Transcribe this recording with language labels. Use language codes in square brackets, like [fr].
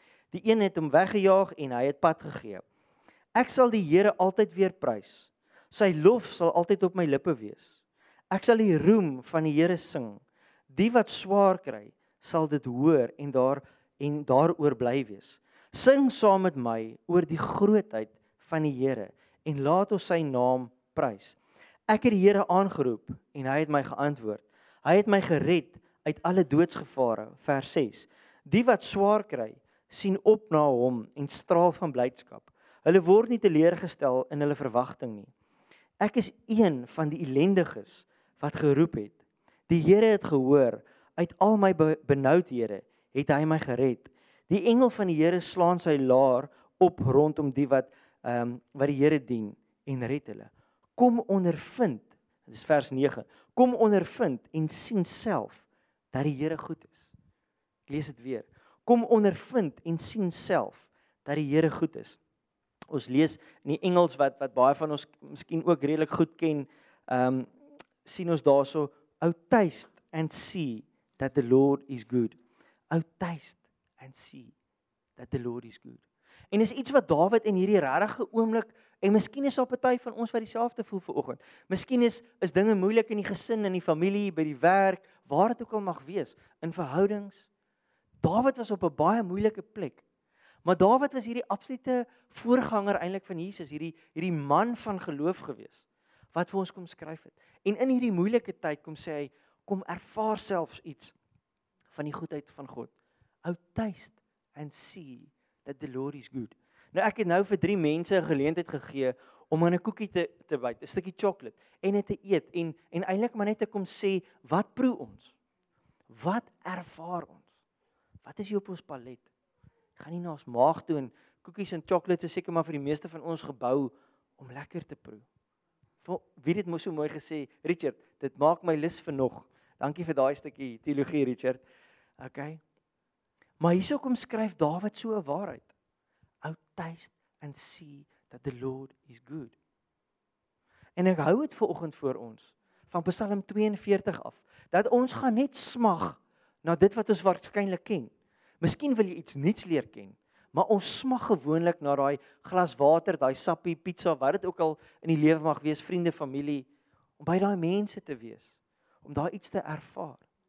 [af] Die een het hom weggejaag en hy het pad gegee. Ek sal die Here altyd weer prys. Sy lof sal altyd op my lippe wees. Ek sal die roem van die Here sing. Die wat swaar kry, sal dit hoor en daaroor bly wees. Sing saam met my oor die grootheid van die Here en laat ons sy naam prys. Ek het die Here aangeroep en hy het my geantwoord. Hy het my gered uit alle doodsgevare. Vers 6. Die wat swaar kry, sien op na hom en straal van blydskap. Hulle word nie teleurgestel in hulle verwagting nie. Ek is een van die ellendiges wat geroep het. Die Here het gehoor. Uit al my benoudhede het hy my gered. Die engel van die Here slaan sy laar op rondom die wat wat die Here dien en red hulle. Kom ondervind, dis vers 9. Kom ondervind en sien self dat die Here goed is. Ek lees dit weer. Kom ondervind en sien self dat die Here goed is. Ons lees in die Engels wat baie van ons miskien ook redelik goed ken, sien ons daarso: [en] O taste and see that the Lord is good. O taste and see that the Lord is good. [af] En is iets wat Dawid in hierdie regte oomblik, en miskien is daar 'n party van ons wat dieselfde voel vanoggend. Miskien is dinge moeilik in die gesin, in die familie, by die werk, waar dit ook al mag wees, in verhoudings. Dawid was op 'n baie moeilike plek. Maar Dawid was hierdie absolute voorganger eintlik van Jesus, hierdie man van geloof gewees wat vir ons kom skryf het. En in hierdie moeilike tyd kom sê hy, kom ervaar selfs iets van die goedheid van God. [en] O taste and see that the Lord is good. [af] Nou ek het nou vir 3 mense 'n geleentheid gegee om aan 'n koekie te byt, 'n stukkie chocolate en dit te eet en eintlik maar net te kom sê, wat proe ons? Wat ervaar ons? Wat is hier op ons palet? Gaan nie na ons maag toe en koekies en chocolates is seker maar vir die meeste van ons gebou om lekker te proe. Wie het mos so mooi gesê, Richard, dit maak my lus vir nog. Dankie vir daai stukkie teologie, Richard. Okay. Maar hierso kom skryf Dawid so 'n waarheid. [en] O taste and see that the Lord is good. [af] En ek hou dit vir oggend vir ons van Psalm 42 af, dat ons gaan net smag na dit wat ons waarskynlik ken. Miskien wil jy iets nuuts leer ken, maar ons smag gewoonlik na daai glas water, daai sappie pizza, wat dit ook al in die lewe mag wees, vriende, familie, om by daai mense te wees, om daai iets te ervaar.